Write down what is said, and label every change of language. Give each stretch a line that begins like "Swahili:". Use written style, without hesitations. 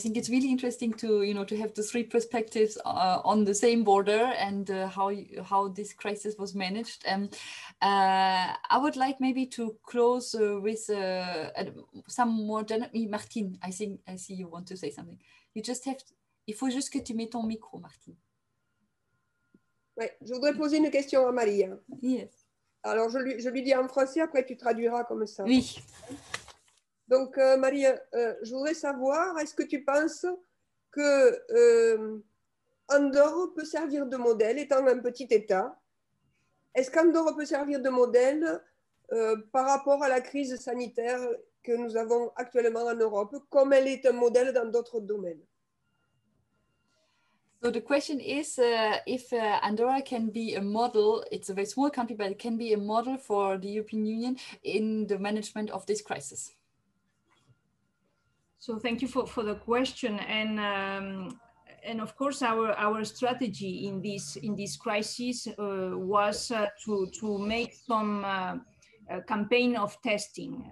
English: I think it's really interesting to, you know, to have the three perspectives on the same border and how this crisis was managed. I would like maybe to close with some more general. Martin, I think I see you want to say something. You just have to.
French: Il faut juste que tu mettes ton micro, Martin. Ouais, je voudrais poser une question à Maria.
English: Yes.
French: Alors, je lui dis en français, après tu traduiras comme ça. Oui. Donc, Maria, je voudrais savoir, est-ce que tu penses que Andorre peut servir de modèle, étant un petit État, est-ce qu'Andorre peut servir de modèle par rapport à la crise sanitaire que nous avons actuellement en Europe, comme elle est un modèle dans d'autres domaines?
English: So the question is if Andorra can be a model, it's a very small country, but it can be a model for the European Union in the management of this crisis. So thank you for the question. And of course, our strategy in this crisis was to make some campaign of testing.